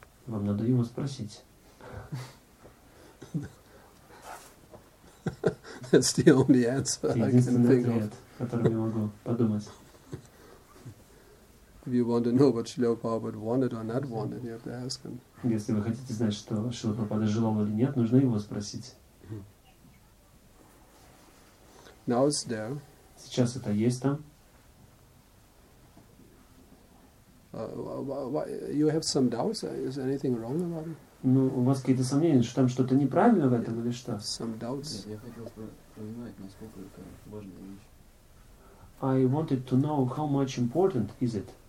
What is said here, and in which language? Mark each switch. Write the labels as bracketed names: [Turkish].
[Russian] Вам надо его спросить. [English] That's the only answer I can think of. If you want to know what Srila Prabhupada wanted or not wanted, you have to ask him. [Russian] Если вы хотите знать, что Шрила Прабхупада желал или нет, нужно его спросить. [English] Now it's there. [Russian] Сейчас это есть там. [English] You have some doubts? Is anything wrong about it? [Russian] Ну, у вас какие-то сомнения, что там что-то неправильно в этом или что? [English] Some doubts. [Russian] Я хотел понимать, насколько это важная вещь. [English] I wanted to know how much important is it.